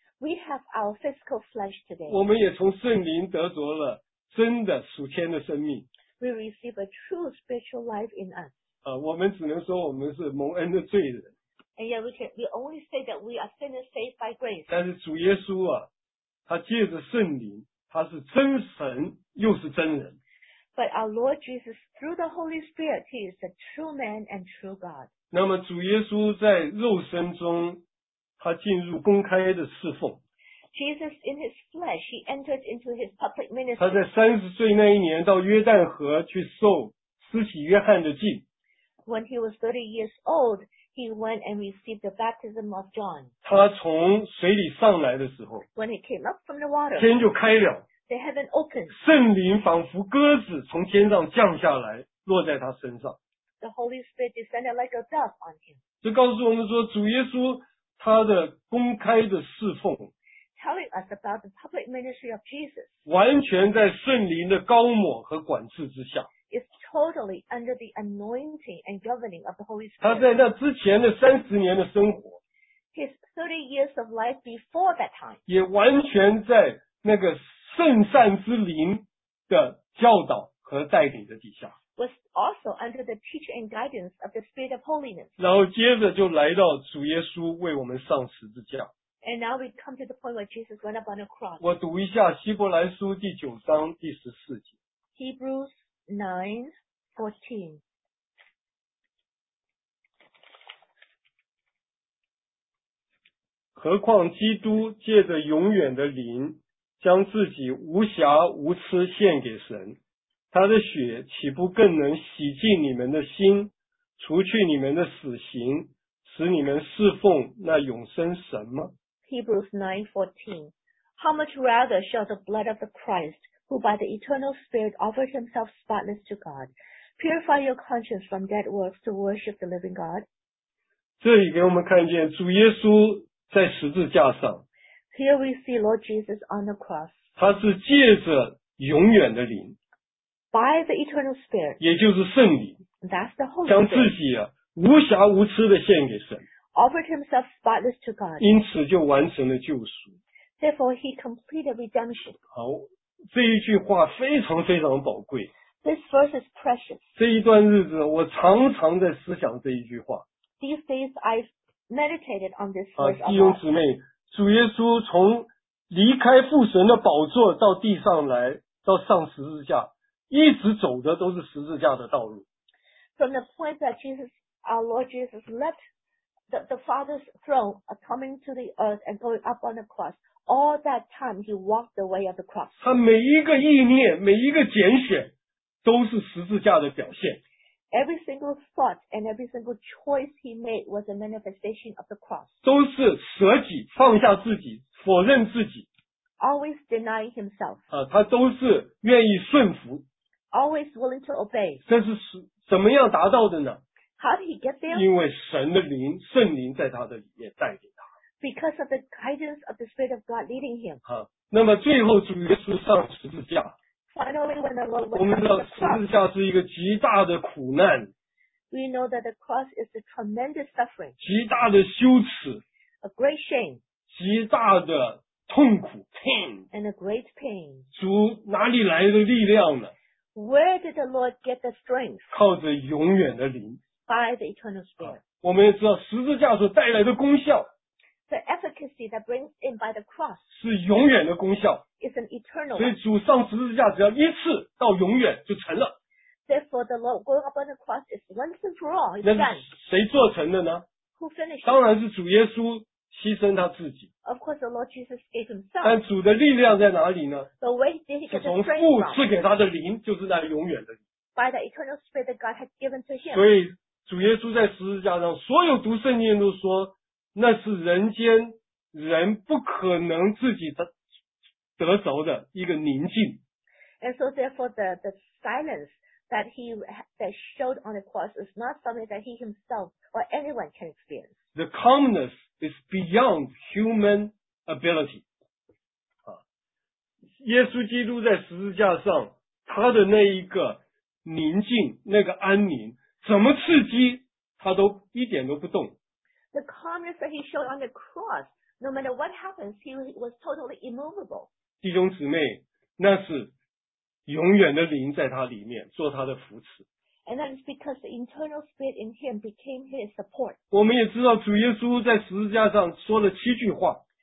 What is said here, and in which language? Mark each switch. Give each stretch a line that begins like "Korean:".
English: We have our physical flesh today.
Chinese: 我们也从圣灵得着了真的属天的生命。
English: We receive a true spiritual life in us.
Chinese: 我们只能说我们是蒙恩的罪人。
English: And yet we only say that we are sinners saved by grace.
Chinese: 但是主耶稣啊，他借着圣灵，他是真神又是真人。
English: But our Lord Jesus, through the Holy Spirit, He is the true man and true God.
Chinese: 那么主耶稣在肉身中，他进入公开的侍奉。
English: Jesus in His flesh, He entered into His public ministry.
Chinese: 他在三十岁那一年到约旦河去受施洗约翰的浸。
English: When He was 30 years old, He went and received the baptism of John.
Chinese: 他从水里上来的时候。
English: When He came up from the water.
Chinese: 天就开了。
English: The heaven opened.
Chinese: 圣灵仿佛鸽子从天上降下来，落在他身上。
English: The Holy Spirit descended like a dove on him.
Chinese: 这告诉我们说，主耶稣他的公开的侍奉
English: ，telling us about the public ministry of Jesus.
Chinese: 完全在圣灵的膏抹和管制之下。
English: Is totally under the anointing and governing of the Holy Spirit.
Chinese: 他在那之前的三十年的生活
English: ，his 30 years of life before that time.
Chinese: 也完全在那个。圣善之灵的教导和带领的底下
English: was also under the teaching and guidance of the Spirit of Holiness.
Chinese: 然后接着就来到主耶稣为我们上十字架。
English: And now we come to the point where Jesus went up on the cross.
Chinese: 我读一下希伯来书第九章第十四节。
English: Hebrews 9:14.
Chinese: 何况基督借着永远的灵将自己无瑕无疵献给神，他的血岂不更能洗净你们的心，除去你们的死刑，使你们侍奉那永生神吗？
English: Hebrews 9:14. How much rather shall the blood of the Christ, who by the eternal Spirit offered himself spotless to God, purify your conscience from dead works to worship the living God?
Chinese: 这里给我们看见主耶稣在十字架上。
English: Here we see Lord Jesus on the cross.
Chinese: 他是借着永远的灵
English: by the eternal spirit,
Chinese: 也就是圣灵
English: that's the Holy Spirit,
Chinese: 将自己啊无瑕无疵的献给神
English: offered himself spotless to God.
Chinese: 因此就完成了救赎
English: therefore he completed redemption.
Chinese: 好，这一句话非常非常宝贵
English: this verse is precious.
Chinese: 这一段日子我常常在思想这一句话
English: these days I've meditated on this verse.
Chinese: 弟兄姊妹，主耶稣从离开父神的宝座到地上来，到上十字架，一直走的都是十字架的道路。
English: From the point that Jesus, our Lord Jesus, left the Father's throne coming to the earth and going up on the cross, all that time he walked the way of the cross.
Chinese: 他每一个意念，每一个拣选，都是十字架的表现。
English: Every single thought and every single choice he made was a manifestation of the cross.
Chinese: 都是舍己，放下自己，否认自己。
English: Always denying himself.
Chinese: 他都是愿意顺服。
English: Always willing to obey.
Chinese: 这是怎么样达到的呢？
English: How did he get there?
Chinese: 因为神的灵，圣灵在他的里面带领他。
English: Because of the guidance of the Spirit of God leading him.
Chinese: 那么最后主耶稣上十字架。
English: Finally, when the Lord went to the cross.
Chinese: 我们知道十字架是一个极大的苦难。
English: We know that the cross is a tremendous suffering.
Chinese: 极大的羞耻。
English: A great shame.
Chinese: 极大的痛苦 ,
English: pain. And a great pain.
Chinese: 主哪里来的力量呢？
English: Where did the Lord get the strength?
Chinese: 靠着永远的灵。
English: By the eternal spirit.
Chinese: 我们也知道十字架所带来的功效。
English: The efficacy that brings in by the cross.
Chinese: 是永远的功效。
English: It's an eternal.
Chinese: 所以主上十字架只要一次到永远就成了。
English: Therefore, the Lord going up on the cross is once and for all.
Chinese: 那谁做成的呢？
English: Who finished?
Chinese: 当然是主耶稣牺牲他自己。
English: Of course, the Lord Jesus gave himself.
Chinese: 但主的力量在哪里呢？
English: The way did he get the strength?
Chinese: 从父赐给他的灵，就是那永远的灵。
English: By the eternal spirit that God had given to him.
Chinese: 所以主耶稣在十字架上，所有读圣经都说，那是人间人不可能自己得着的一个宁静。
English: And so therefore the silence that showed on the cross is not something that he himself or anyone can experience. The calmness is beyond human ability.
Chinese: 耶稣基督在十字架上，他的那一个宁静，那个安宁，怎么刺激他都一点都不动。
English: The calmness that he showed on the cross, no matter what happens, he was totally immovable.
Chinese: 弟兄姊妹，那是永远的灵在他里面做他的扶持。
English: And that is because the internal spirit in him became his support.
Chinese: 我们也知道主耶稣在十字架上说了七句话。